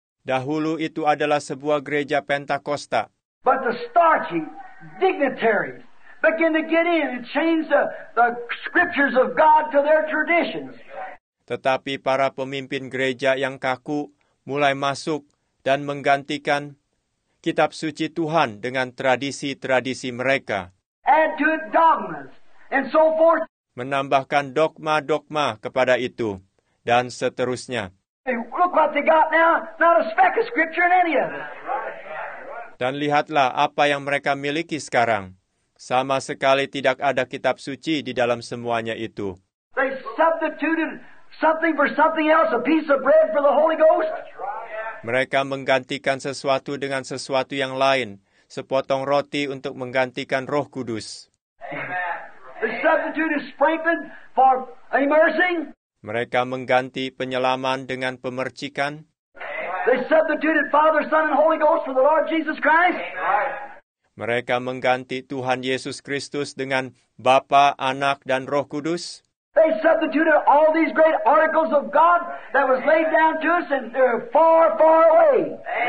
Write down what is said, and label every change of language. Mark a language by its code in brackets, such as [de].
[id] Dahulu itu adalah sebuah gereja Pentakosta. [en] But the starchy dignitaries begin to get in and change the scriptures of God to their traditions. [id] Tetapi para pemimpin gereja yang kaku mulai masuk dan menggantikan kitab suci Tuhan dengan tradisi-tradisi mereka. [en] Add to it dogmas and so forth. [id] Menambahkan dogma-dogma kepada itu dan seterusnya. [en] Hey, look what they got now. Not a speck of scripture in any of it. [id] Dan lihatlah apa yang mereka miliki sekarang. Sama sekali tidak ada kitab suci di dalam semuanya itu. [en] They substituted something for something else, a piece of bread for the Holy Ghost. [id] Mereka menggantikan sesuatu dengan sesuatu yang lain, sepotong roti untuk menggantikan Roh Kudus. [en] Amen. They substituted sprinkling for immersing. [id] Mereka mengganti penyelaman dengan pemercikan. [en] They substituted Father, Son, and Holy Ghost for the Lord Jesus Christ. [id] Mereka mengganti Tuhan Yesus Kristus dengan Bapa, Anak, dan Roh Kudus. [en] They substituted all these great articles of God that was laid down to us, and they're far, far away.